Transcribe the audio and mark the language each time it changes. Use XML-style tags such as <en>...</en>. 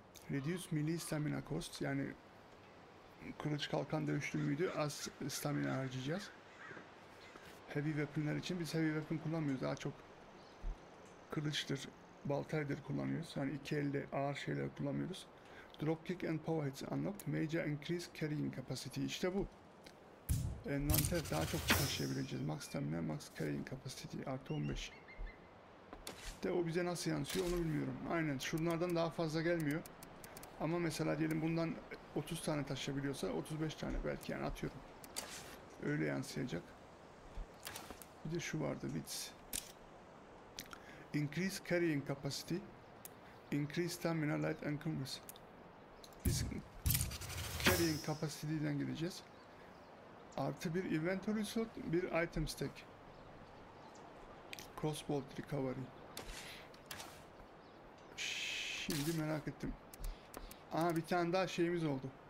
<tr>Reduce Melee Stamina Cost. Yani kılıç kalkan dövüşlü müydü? Az stamina harcayacağız. Heavy weaponlar için. Biz heavy weapon kullanmıyoruz. Daha çok kılıçtır, baltaydır kullanıyoruz. Yani iki elle ağır şeyler kullanmıyoruz.</tr> <en>Dropkick and power hits unlocked. Major increase carrying capacity.</en> <tr>İşte bu. Envanter daha çok taşıyabileceğiz.</tr> <en>Max stamina, max carrying capacity.</en> <tr>Artı 15. De o bize nasıl yansıyor onu bilmiyorum. Aynen. Şunlardan daha fazla gelmiyor. Ama mesela diyelim bundan 30 tane taşıyabiliyorsa 35 tane belki yani atıyorum. Öyle yansıyacak. Bir de şu vardı. Bits.</tr> <en>Increase carrying capacity. Increase stamina, light and cumbers.</en> <tr>Biz carrying capacity'den gideceğiz. Artı bir inventory slot, bir item stack.</tr> <en>Crossbow recovery.</en> <tr>Şimdi merak ettim. Aha bir tane daha şeyimiz oldu.</tr>